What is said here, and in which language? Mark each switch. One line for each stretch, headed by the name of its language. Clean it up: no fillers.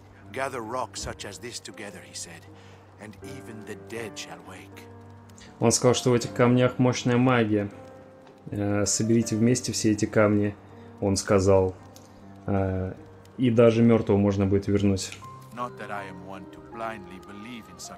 English: Gather rocks such as this together, he said, and even the dead shall wake.
Russian: Он сказал, что в этих камнях мощная магия. Соберите вместе все эти камни, он сказал, и даже мертвого можно будет вернуть.
English: Not that I am one to blindly believe in such